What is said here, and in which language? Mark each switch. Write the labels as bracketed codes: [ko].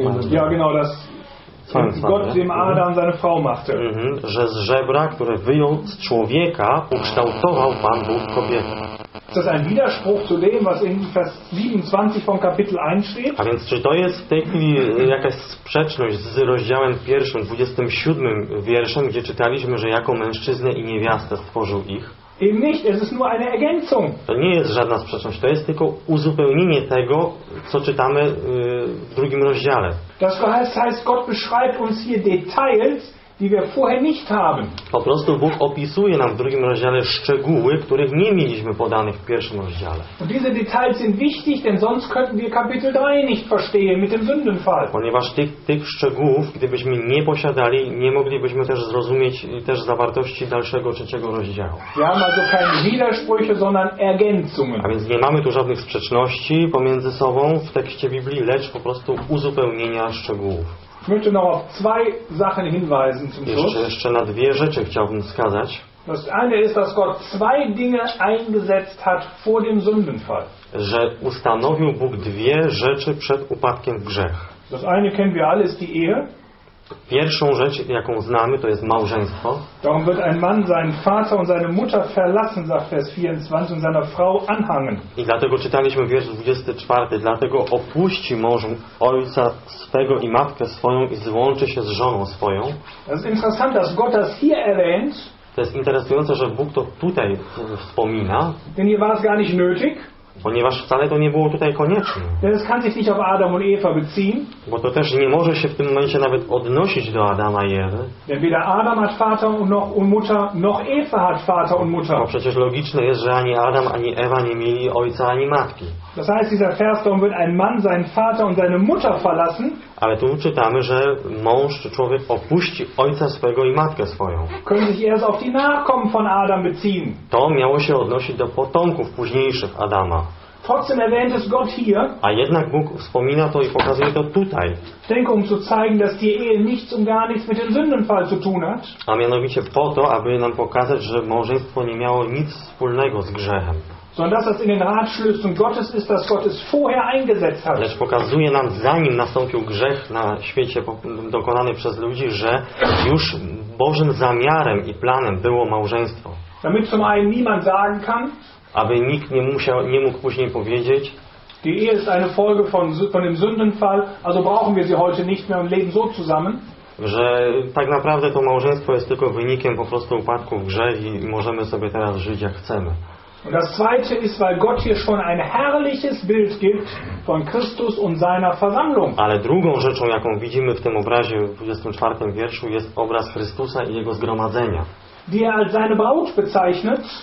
[de] ja, genau, das Gott dem Adam seine Frau machte. [pl] Że z żebra, które wyjął z człowieka, ukształtował Pan Bóg kobietę. [de] Ist das ein Widerspruch zu dem, was in Vers 27 von Kapitel 1 steht? [pl] A więc czy to jest w tej chwili jakaś sprzeczność z rozdziałem 1, 27 wierszem, gdzie czytaliśmy, że jako mężczyznę i niewiastę stworzył ich? [de] Eben nicht, es ist nur eine Ergänzung. [pl] To nie jest żadna sprzeczność, to jest tylko uzupełnienie tego, co czytamy w drugim rozdziale. [de] Das heißt, Gott beschreibt uns hier Details, die wir vorher nicht haben. [pl] Po prostu Bóg opisuje nam w drugim rozdziale szczegóły, których nie mieliśmy podanych w pierwszym rozdziale. [de] Und diese Details sind wichtig, denn sonst könnten wir Kapitel 3 nicht verstehen mit dem Sündenfall. [pl] Ponieważ tych szczegółów, gdybyśmy nie posiadali, nie moglibyśmy też zrozumieć też zawartości dalszego trzeciego rozdziału. [de] Wir haben also keine Widersprüche, sondern Ergänzungen. [pl] A więc nie mamy tu żadnych sprzeczności pomiędzy sobą w tekście Biblii, lecz po prostu uzupełnienia szczegółów. [de] Ich möchte noch auf zwei Sachen hinweisen zum Schluss. [pl] Jeszcze na dwie rzeczy chciałbym wskazać. [de] Das eine ist, dass Gott zwei Dinge eingesetzt hat vor dem Sündenfall. [pl] Że ustanowił Bóg dwie rzeczy przed upadkiem w grzech. [de] Das eine kennen wir alle, ist die Ehe. [pl] Pierwszą rzecz, jaką znamy, to jest małżeństwo. [de] Darum wird ein Mann seinen Vater und seine Mutter verlassen, sagt Vers 24, und seiner Frau anhangen. [pl] I dlatego czytaliśmy wiersz 24, dlatego opuści mąż ojca swego i matkę swoją i złączy się z żoną swoją. [de] Das ist interessant, dass Gott das hier erwähnt. [pl] To jest interesujące, że Bóg to tutaj wspomina. [de] Denn hier war es gar nicht nötig. [pl] Ponieważ wcale to nie było tutaj konieczne. [de] Das kann sich nicht auf Adam und Eva beziehen. [pl] Bo to też nie może się w tym momencie nawet odnosić do Adama i Ewy. [de] Denn weder Adam hat Vater und Mutter, noch Eva hat Vater und Mutter. [pl] Bo przecież logiczne jest, że ani Adam, ani Ewa nie mieli ojca, ani matki. [de] Das heißt, dieser Vers, darum wird ein Mann seinen Vater und seine Mutter verlassen. [pl] Ale tu czytamy, że mąż czy człowiek opuści ojca swojego i matkę swoją. [de] Können sich erst auf die Nachkommen von Adam beziehen. [pl] To miało się odnosić do potomków późniejszych Adama. [de] Trotzdem erwähnt es Gott hier. [pl] A jednak Bóg wspomina to i pokazuje to tutaj. [de] Denke, um zu zeigen, dass die Ehe nichts und gar nichts mit dem Sündenfall zu tun hat. [pl] A mianowicie po to, aby nam pokazać, że małżeństwo nie miało nic wspólnego z grzechem. [de] Sondern dass das in den Ratschlüssen Gottes ist, dass Gott es vorher eingesetzt hat. [pl] Lecz pokazuje nam, zanim nastąpił grzech na świecie dokonany przez ludzi, że już Bożym zamiarem i planem było małżeństwo. [de] Damit zum einen niemand sagen kann, [pl] aby nikt nie musiał, nie mógł później powiedzieć, [de] die Ehe ist eine Folge von dem Sündenfall, also brauchen wir sie heute nicht mehr und leben so zusammen. [pl] Że tak naprawdę to małżeństwo jest tylko wynikiem po prostu upadku w grzech i możemy sobie teraz żyć jak chcemy. [de] Und das zweite ist, weil Gott hier schon ein herrliches Bild gibt von Christus und seiner Versammlung. [pl] Ale drugą rzeczą, jaką widzimy w tym obrazie w 24 wierszu, jest obraz Chrystusa i jego zgromadzenia. [de] Die er als seine Braut bezeichnet.